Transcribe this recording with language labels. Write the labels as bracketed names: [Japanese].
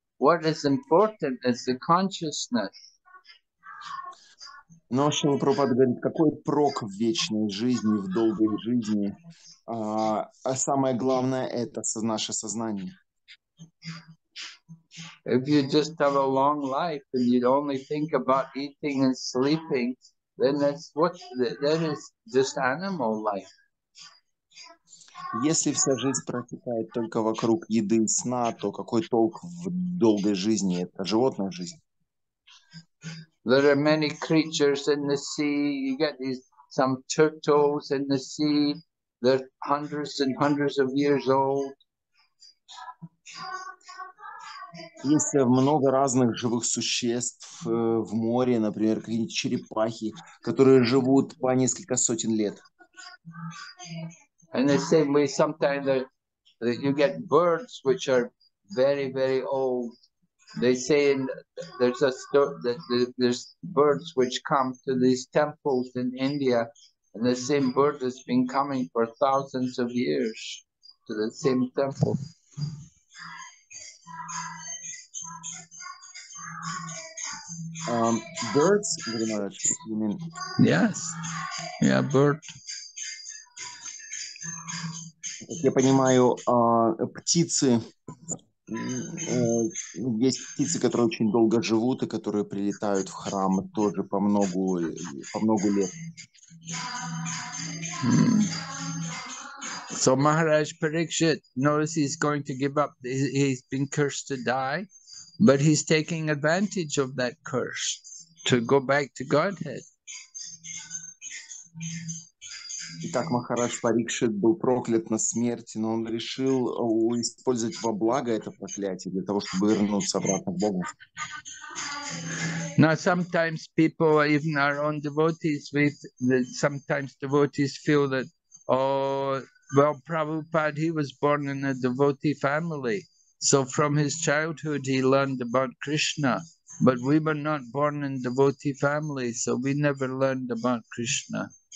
[English] What is important is the consciousness. [Russian] Но Шрила Прабхупада говорит, какой прок в вечной жизни, в долгой жизни? А самое главное – это наше сознание. [English] If you just have a long life and you only think about eating and sleeping, then that's what, that is just animal life. [Russian] Если вся жизнь протекает только вокруг еды и сна, то какой толк в долгой жизни? Это животная жизнь. [English] There are many creatures in the sea. You get these some turtles in the sea. They're hundreds and hundreds of years old. [Russian] Есть много разных живых существ в море, например, какие-нибудь черепахи, которые живут по несколько сотен лет. [English] And the same way, sometimes that you get birds which are very, very old. They say in, there's a story that there's birds which come to these temples in India, and the same bird has been coming for thousands of years to the same temple. Birds? You know what you mean? Yes. Yeah, bird. [Russian] Как я понимаю, птицы. Есть птицы, которые очень долго живут и которые прилетают в храм тоже по много лет. [English] So Maharaj Parikshit knows he's going to give up. He's been cursed to die, but he's taking advantage of that curse to go back to Godhead. [Russian] Итак, Махарадж Парикшит был проклят на смерти, но он решил использовать во благо это проклятие для того, чтобы вернуться обратно к Богу. [English] Now sometimes people, even our own devotees, sometimes devotees feel that, oh, well, Prabhupada, he was born in a devotee family, so from his childhood he learned about Krishna, but we were not born in devotee family, so we never learned about Krishna.